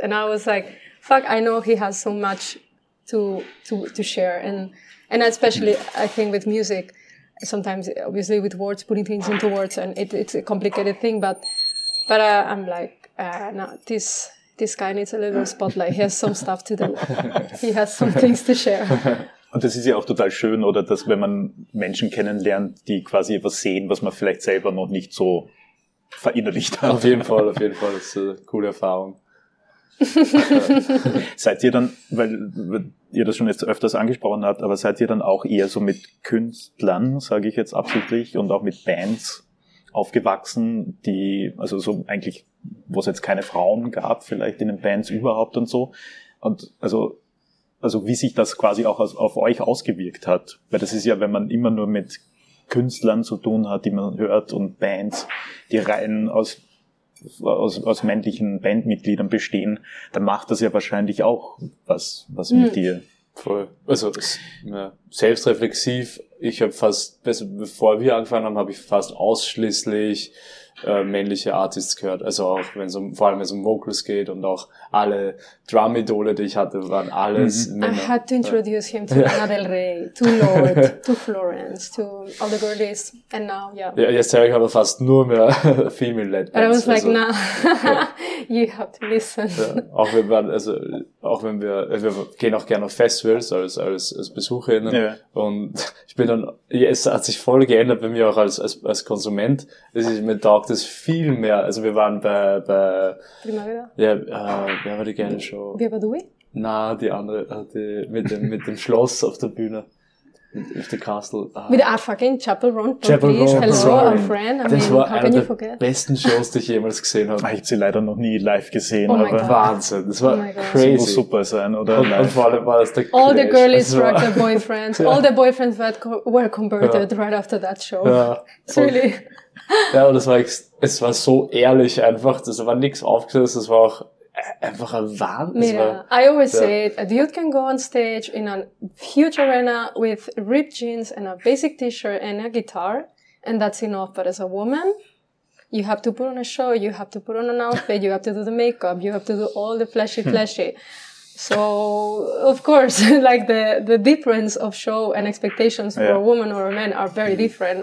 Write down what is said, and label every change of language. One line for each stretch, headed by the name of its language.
English: And I was like, fuck, I know he has so much to share. And especially, I think with music, sometimes, obviously with words, putting things into words, and it's a complicated thing, but I'm like, this guy needs a little spotlight. He has some stuff to do. He has some things to share.
German: Und das ist ja auch total schön, oder, dass wenn man Menschen kennenlernt, die quasi etwas sehen, was man vielleicht selber noch nicht so verinnerlicht hat. Auf jeden Fall, das ist eine coole Erfahung. Seid ihr dann, weil ihr das schon jetzt öfters angesprochen habt, aber seid ihr dann auch eher so mit Künstlern, sage ich jetzt absichtlich, und auch mit Bands aufgewachsen, die, also so eigentlich, wo es jetzt keine Frauen gab, vielleicht in den Bands überhaupt und so. Und also wie sich das quasi auch auf euch ausgewirkt hat. Weil das ist ja, wenn man immer nur mit Künstlern zu tun hat, die man hört, und Bands, die rein aus männlichen Bandmitgliedern bestehen, dann macht das ja wahrscheinlich auch was mit dir. Voll. Also selbstreflexiv, ich habe fast, bevor wir angefangen haben, habe ich fast ausschließlich männliche Artists gehört. Also auch wenn es vor allem wenn es Vocals geht, und auch alle Drum-Idole, die ich hatte, waren alles Männer.
English: I had to introduce him to Lana Del Rey, to Lorde, to Florence, to all the girlies, and now, yeah.
German: Ja, jetzt höre ich aber fast nur mehr female-led Bands.
English: But I was like, also, no, you have to listen.
German: Ja, auch wenn wir gehen auch gerne auf Festivals als BesucherInnen, ja. Und ich bin dann, es hat sich voll geändert bei mir auch als Konsument. Es ist mir taugt es viel mehr. Also wir waren bei Primavera. Ja, wer war die geile Show? Wie war Dui? Na, die andere, die mit dem Schloss auf der Bühne. Mit dem Castle. Mit der Art fucking Chapel Run. Chapel Run.
English: Hello, sorry. Our friend. I
German: das
English: mean,
German: war einer der besten Shows, die ich jemals gesehen habe. Ich habe sie leider noch nie live gesehen. Oh, aber Wahnsinn. Das war crazy. Das muss super sein, oder? Und vor allem war das der
English: All Crash. The girlies struck their boyfriends. Yeah. All the boyfriends were converted right after that show.
German: Ja.
English: It's really...
German: Ja, und es war so ehrlich einfach. Das war nichts aufgesetzt. Das war auch einfach ein Wahnsinn.
English: Yeah.
German: War,
English: I always say it. A dude can go on stage in a huge arena with ripped jeans and a basic t-shirt and a guitar. And that's enough. But as a woman, you have to put on a show. You have to put on an outfit. You have to do the makeup. You have to do all the flashy. So, of course, like the difference of show and expectations for a woman or a man are very different.